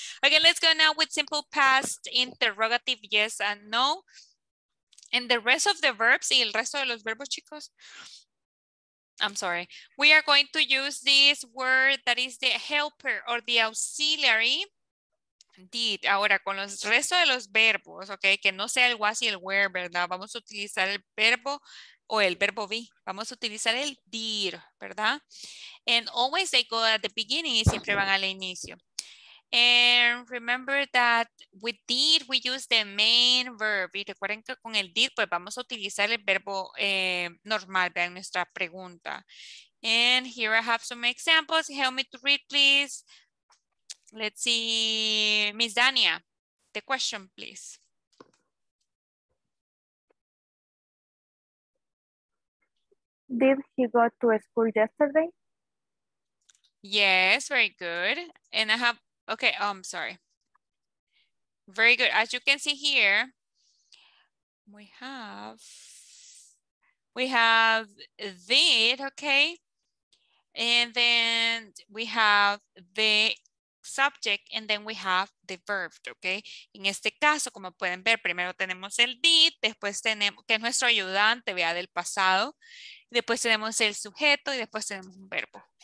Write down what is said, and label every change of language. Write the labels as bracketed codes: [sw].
[en] Okay, let's go now with simple past interrogative yes and no. And the rest of the verbs, [es] y el resto de los verbos, chicos. [en] I'm sorry. We are going to use this word that is the helper or the auxiliary. Did. [es] Ahora, con los resto de los verbos, okay, que no sea el was y el were, ¿verdad? Vamos a utilizar el verbo o el verbo be. Vamos a utilizar el did, ¿verdad? [en] And always they go at the beginning [es] y siempre van al inicio. [en] And remember that with did, we use the main verb. [es] Y recuerden que con el did, pues vamos a utilizar el verbo normal, vean nuestra pregunta. [en] And here I have some examples. Help me to read, please. Let's see, Miss Dania, the question, please. Did he go to school yesterday? Yes, very good. And I have, okay, oh, I'm sorry. Very good. As you can see here, we have did, okay? And then we have the subject and then we have the verb, okay? [es] En este caso, como pueden ver, primero tenemos el did, después tenemos, que es nuestro ayudante, vea, del pasado. Después tenemos el sujeto y después tenemos un verbo.